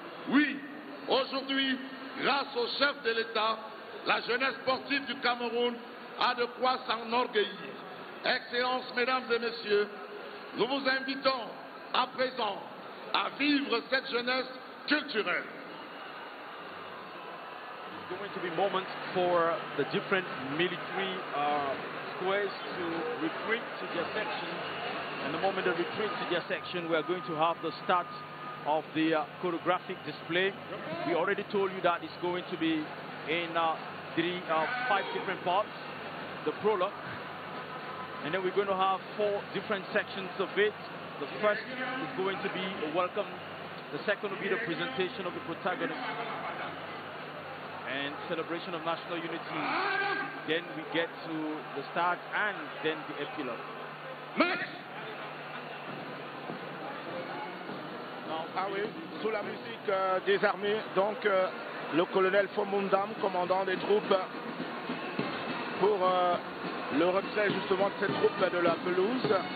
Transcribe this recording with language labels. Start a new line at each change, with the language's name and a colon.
French: Oui, aujourd'hui, grâce au chef de l'État, la jeunesse sportive du Cameroun a de quoi s'enorgueillir. Excellences, mesdames et messieurs, nous vous invitons à présent à vivre cette jeunesse culturelle.
English: There's going to be moments for the different military squares to retreat to their sections. And the moment they retreat to their section, we are going to have the start of the choreographic display. We already told you that it's going to be in five different parts, the prologue. And then we're going to have four different sections of it. The first is going to be a welcome. The second will be the presentation of the protagonist and celebration of national unity. Then we get to the start and then the epilogue.
French: Merci. Now, ah oui, sous la musique des armées, donc le colonel Fomundam, commandant des troupes, pour le retrait justement de cette troupe de la pelouse.